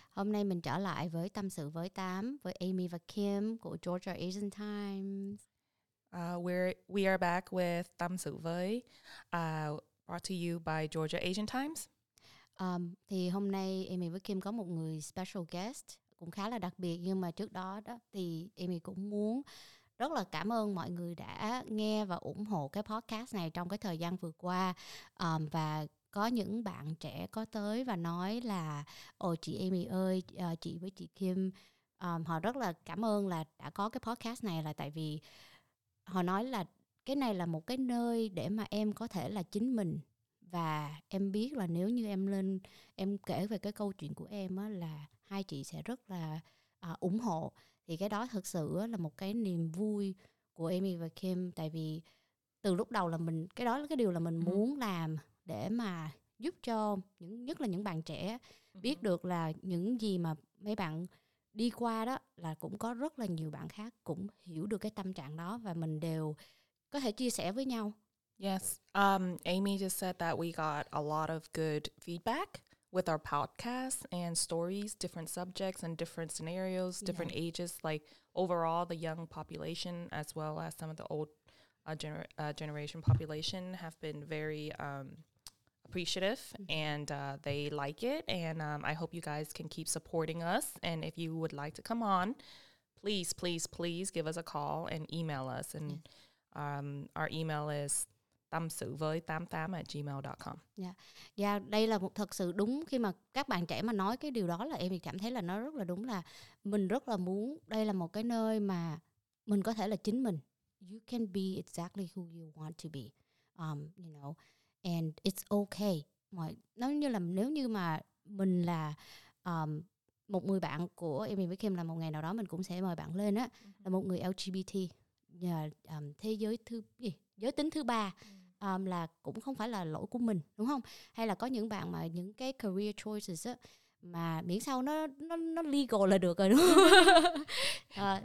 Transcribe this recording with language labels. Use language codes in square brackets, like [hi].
[vi] Hôm nay mình trở lại với Tâm sự với Tám, với Amy và Kim của Georgia Asian Times. [en] We are back with Tam Su Voi, brought to you by Georgia Asian Times. [vi] Thì hôm nay Amy với Kim có một người [en] special guest, [vi] cũng khá là đặc biệt, nhưng mà trước đó đó thì Amy cũng muốn rất là cảm ơn mọi người đã nghe và ủng hộ cái podcast này trong cái thời gian vừa qua. Và có những bạn trẻ có tới và nói là ồ chị Amy ơi, chị với chị Kim, họ rất là cảm ơn là đã có cái podcast này, là tại vì họ nói là cái này là một cái nơi để mà em có thể là chính mình, và em biết là nếu như em lên em kể về cái câu chuyện của em á, là hai chị sẽ rất là ủng hộ. Thì cái đó thực sự á, là một cái niềm vui của Amy và Kim, tại vì từ lúc đầu là mình, cái đó là cái điều là mình muốn làm để mà giúp cho những, nhất là những bạn trẻ biết được là những gì mà mấy bạn đi qua đó, là cũng có rất là nhiều bạn khác cũng hiểu được cái tâm trạng đó và mình đều có thể chia sẻ với nhau. [en] Yes, Amy just said that we got a lot of good feedback with our podcast and stories, different subjects and different scenarios, different ages, like overall the young population as well as some of the old generation population have been very appreciative, and they like it, and I hope you guys can keep supporting us. And if you would like to come on, please, please, please give us a call and email us. And our email is tamsuvoi88@gmail.com. [vi] Yeah, đây là một thật sự đúng, khi mà các bạn trẻ mà nói cái điều đó là em cảm thấy là nó rất là đúng, là mình rất là muốn đây là một cái nơi mà mình có thể là chính mình. [en] You can be exactly who you want to be, you know, and it's okay. [vi] Mọi, nếu như mà mình là một người bạn của Amy với Kim, là một ngày nào đó mình cũng sẽ mời bạn lên á, là một người LGBT, thế giới thứ gì, giới tính thứ ba, là cũng không phải là lỗi của mình, đúng không? Hay là có những bạn mà những cái [en] career choices [vi] á, mà miễn sao nó legal là được rồi, đúng không?